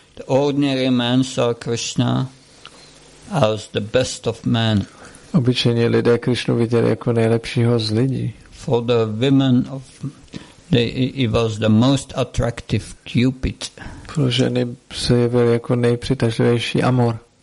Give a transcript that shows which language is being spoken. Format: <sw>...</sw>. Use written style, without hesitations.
<en>The ordinary man saw Krishna as the best of men.</en> <cs>Obyčejní lidé Krishnu viděli jako nejlepšího z lidí.</cs> <en>For the women of he was the most attractive Cupid.</en> <cs>Pro ženy se jevil jako nejpřitažlivější amor.</cs>